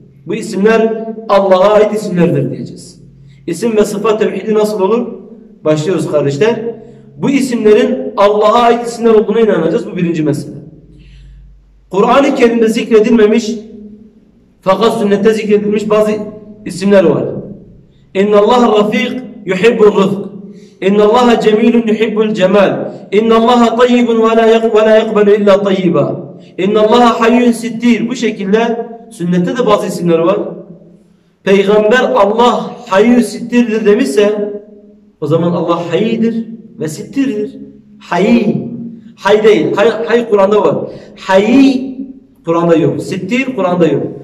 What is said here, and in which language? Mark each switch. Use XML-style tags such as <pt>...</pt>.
<tr>Bu isimler Allah'a ait isimlerdir diyeceğiz. İsim ve sıfat tevhidi nasıl olur? Başlıyoruz kardeşler. Bu isimlerin Allah'a ait isimler olduğuna inanacağız. Bu birinci mesele. Kur'an-ı Kerim'de zikredilmemiş fakat sünnette zikredilmiş bazı isimler var.</tr> <ar>İnna Allah Rafiq يُحِبُّ الرِّفْقِ اِنَّ اللّٰهَ جَمِيلٌ يُحِبُّ الْجَمَالِ اِنَّ اللّٰهَ طَيِّبٌ وَلَا يَقْبَلُ اِلَّا طَيِّبًا اِنَّ اللّٰهَ حَيُّنْ سِتِّيرٌ.</ar> <tr>Bu şekilde sünnette de bazı isimler var. Peygamber Allah hayyun sittirdir demişse o zaman Allah hayidir ve sittirdir. Hayy, hay değil, hay Kur'an'da var. Hayy Kur'an'da yok, sittir Kur'an'da yok.</tr>